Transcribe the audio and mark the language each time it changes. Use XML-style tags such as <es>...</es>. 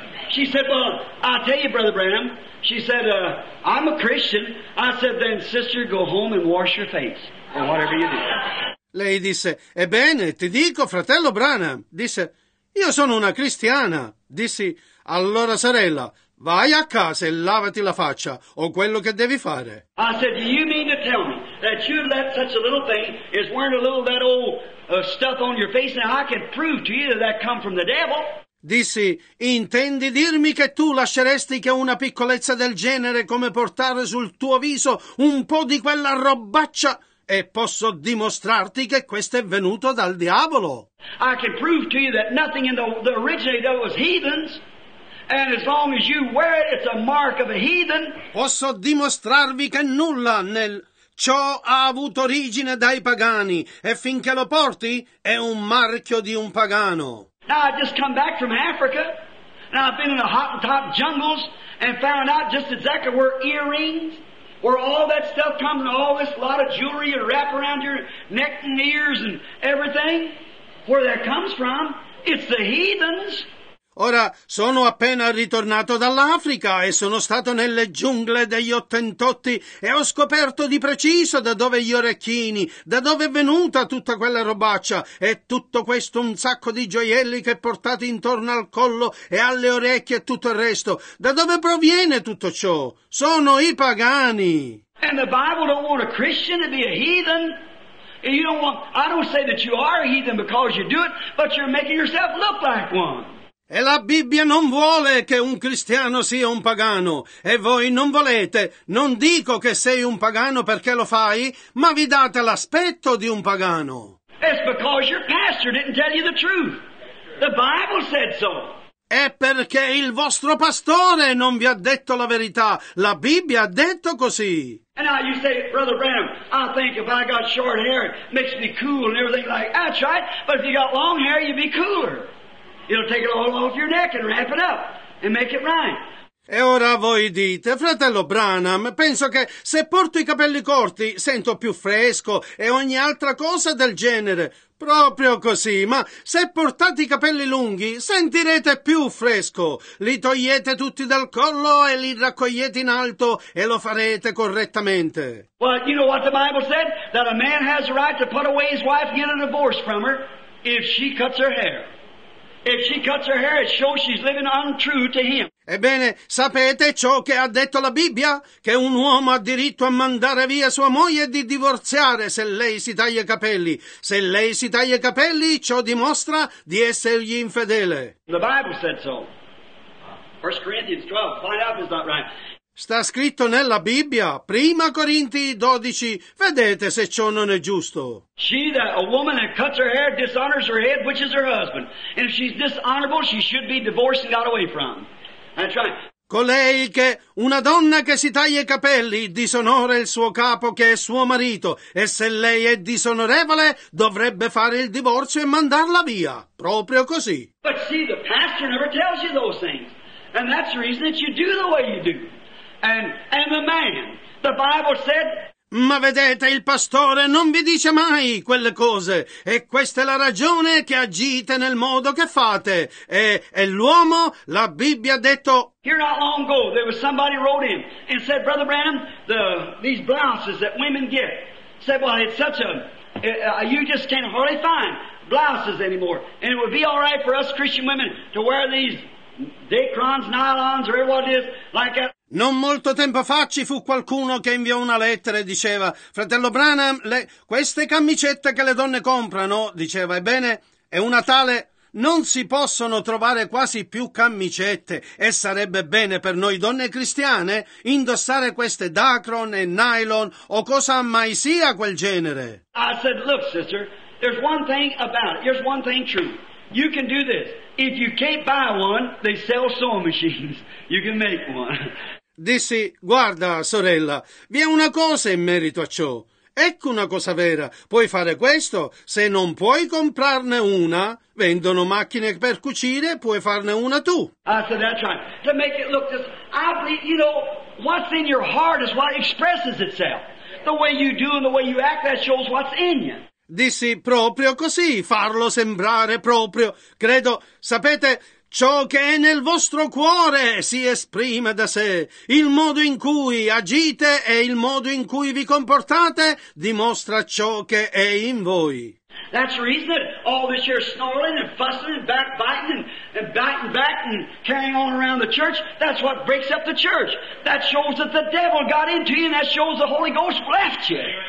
<en>She said, well, I'll tell you, Brother Branham. She said, I'm a Christian. I said, then, sister, go home and wash your face, or whatever you do.</en> <it>Lei disse, ebbene, ti dico, fratello Branham. Disse, io sono una cristiana. Dissi, allora, sorella, vai a casa e lavati la faccia, o quello che devi fare.</it> <en>I said, do you mean to tell me that you let such a little thing as wearing a little of that old stuff on your face, and I can prove to you that that come from the devil?</en> <it>Dissi, intendi dirmi che tu lasceresti che una piccolezza del genere come portare sul tuo viso un po' di quella robaccia e posso dimostrarti che questo è venuto dal diavolo?</it> <en>I can prove to you that nothing in the originator was heathens. And as long as you wear it, it's a mark of a heathen.</en> <it>Posso dimostrarvi che nulla nel ciò ha avuto origine dai pagani e finché lo porti è un marchio di un pagano.</it> <en>Now I just come back from Africa, and I've been in the Hottentot jungles, and found out just exactly where earrings, where all that stuff comes, and all this lot of jewelry you wrap around your neck and ears and everything, where that comes from, it's the heathens.</en> <it>Ora, sono appena ritornato dall'Africa e sono stato nelle giungle degli Ottentotti e ho scoperto di preciso da dove gli orecchini, da dove è venuta tutta quella robaccia e tutto questo un sacco di gioielli che portate intorno al collo e alle orecchie e tutto il resto. Da dove proviene tutto ciò? Sono i pagani!</it> <en>And the Bible don't want a Christian to be a heathen. And you don't want, I don't say that you are a heathen because you do it, but you're making yourself look like one.</en> <it>E la Bibbia non vuole che un cristiano sia un pagano, e voi non volete, non dico che sei un pagano perché lo fai, ma vi date l'aspetto di un pagano.</it> <en>It's because your pastor didn't tell you the truth. The Bible said so.</en> <it>È perché il vostro pastore non vi ha detto la verità, la Bibbia ha detto così.</it> <en>And now you say, Brother Branham, I think if I got short hair, it makes me cool and everything like that. That's right, but if you got long hair, you'd be cooler. It'll take it all off your neck and wrap it up and make it right.</en> <it>E ora voi dite, fratello Branham, penso che se porto i capelli corti sento più fresco e ogni altra cosa del genere. Proprio così, ma se portate i capelli lunghi sentirete più fresco. Li togliete tutti dal collo e li raccogliete in alto e lo farete correttamente.</it> <en>Well, you know what the Bible said? That a man has a right to put away his wife and get a divorce from her if she cuts her hair. If she cuts her hair, it shows she's living untrue to him.</en> <it>Ebbene, sapete ciò che ha detto la Bibbia? Che un uomo ha diritto a mandare via sua moglie e di divorziare se lei si taglia i capelli. Se lei si taglia i capelli, ciò dimostra di essergli infedele.</it> <en>The Bible said so. 1 Corinthians 12. Find out if it's not right.</en> <it>Sta scritto nella Bibbia, 1 Corinti 12. Vedete se ciò non è giusto.</it> <en>She that a woman that cuts her hair dishonors her head, which is her husband. And if she's dishonorable, she should be divorced and got away from. That's right.</en> <it>Colei che una donna che si taglia i capelli disonora il suo capo che è suo marito, e se lei è disonorevole dovrebbe fare il divorzio e mandarla via. Proprio così.</it> <en>But see, the pastor never tells you those things. And that's the reason that you do the way you do. And the man, the Bible said.</en> <it>Ma vedete, il pastore non vi dice mai quelle cose, e questa è la ragione che agite nel modo che fate. E l'uomo, la Bibbia ha detto.</it> <en>Here not long ago, there was somebody wrote in and said, Brother Branham, these blouses that women get, said, well, it's such a, you just can't hardly find blouses anymore. And it would be all right for us Christian women to wear these dacrons, nylons, or what it is, like that.</en> <it>Non molto tempo fa ci fu qualcuno che inviò una lettera e diceva: Fratello Branham, queste camicette che le donne comprano, diceva, ebbene, è una tale, non si possono trovare quasi più camicette, e sarebbe bene per noi donne cristiane indossare queste dacron e nylon o cosa mai sia quel genere.</it> <en>I said, look sister, there's one thing about it, there's one thing true. You can do this. If you can't buy one, they sell sewing machines. You can make one.</en> <it>Dissi, guarda sorella, vi è una cosa in merito a ciò. Ecco una cosa vera. Puoi fare questo. Se non puoi comprarne una, vendono macchine per cucire, puoi farne una tu.</it> <en>I said, that's right. To make it look this, I believe, you know, what's in your heart is what expresses itself. The way you do and the way you act, that shows what's in you.</en> <it>Dissi, proprio così, farlo sembrare proprio. Credo, sapete, ciò che è nel vostro cuore si esprime da sé. Il modo in cui agite e il modo in cui vi comportate dimostra ciò che è in voi.</it> <en>That's the reason that all this year snarling and fussing and backbiting and biting back and carrying on around the church, that's what breaks up the church. That shows that the devil got into you and that shows the Holy Ghost left you.</en>